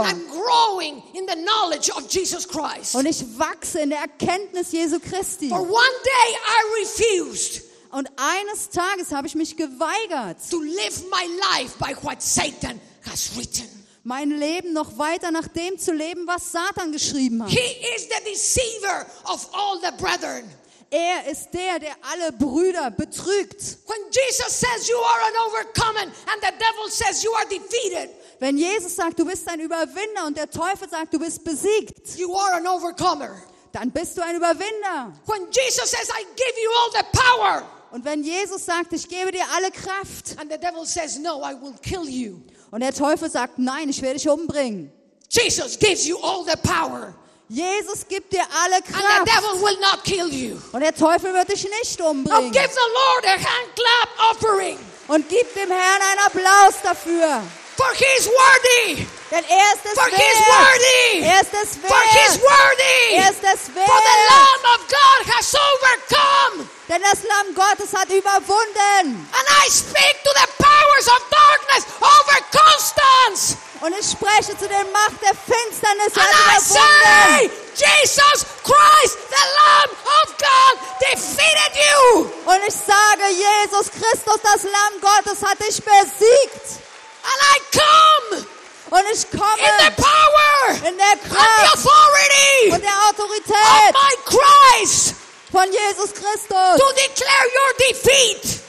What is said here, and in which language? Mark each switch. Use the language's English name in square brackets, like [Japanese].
[English] And I'm growing in the knowledge of Jesus Christ. [German] Und ich wachse in der Erkenntnis Jesu Christi. [English] For one day I refused. [German] Und eines Tages habe ich mich geweigert, [English] to live my life by what Satan has written. [German] Mein Leben noch weiter nach dem zu leben, was Satan geschrieben hat. [English] He is the deceiver of all the brethren. [German] Er ist der, der alle Brüder betrügt. [English] When Jesus says you are an overcomer and the devil says you are defeated. [German] Wenn Jesus sagt, du bist ein Überwinder und der Teufel sagt, du bist besiegt. [English] You are an overcomer. [German] Dann bist du ein Überwinder. [English] When Jesus says I give you all the power. [German] Und wenn Jesus sagt, ich gebe dir alle Kraft. [English] And the devil says no, I will kill you. [German] Und der Teufel sagt, nein, ich werde dich umbringen. [English] Jesus gives you all the power. [German] Jesus gibt dir alle Kraft. [English] And the devil will not kill you. [German] Und der Teufel wird dich nicht umbringen. [English] Oh, give the Lord a hand clap offering. [German] Und gib dem Herrn einen Applaus dafür. [English] For he is worthy. [German] Denn er ist es [English] For [German] wert. [English] He is worthy. [German] Er ist es wert. [English] For he is worthy. [German] Er ist es wert. [English] For the Lamb of God has overcome. [German] Denn das Lamm Gottes hat überwunden. [English] And I speak to the powers of darkness over Constance. [German] Und ich spreche zu den Macht der Finsternis [English] And [German] hat überwunden. [English] I say, Jesus Christ, the Lamb of God, defeated you. [German] Und ich sage, Jesus Christus, das Lamm Gottes hat dich besiegt. [English] And I come. [German] Und ich komme [English] in the power. [German] In der Kraft. [English] And the authority. [German] Und der Autorität. [English] Of my Christ. [German] Von Jesus Christus, [English] to declare your defeat,